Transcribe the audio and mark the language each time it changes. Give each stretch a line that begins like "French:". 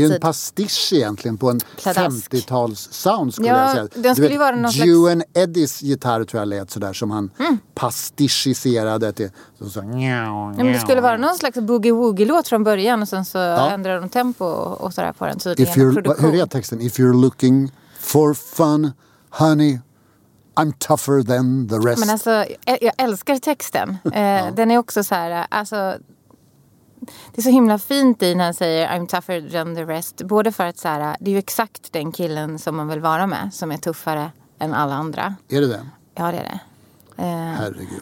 Swedish: Det är ju en pastisch egentligen på en pladask. 50-tals sound skulle jag säga. Den skulle ju vara någon slags... Duan Eddys gitarr tror jag lät sådär som han pastischiserade till. Men det skulle vara någon slags boogie-woogie-låt från början och sen så ändrar de tempo och sådär på den. Så hur är texten?
English: If you're looking for fun, honey... I'm tougher than the rest.
Swedish: Men alltså, jag älskar texten. den är också så här, alltså... det är så himla fint i när han säger
English: I'm tougher than the rest.
Swedish: Både för att så här, det är ju exakt den killen som man vill vara med, som är tuffare än alla andra. Är det det? Ja, det är det. Herregud.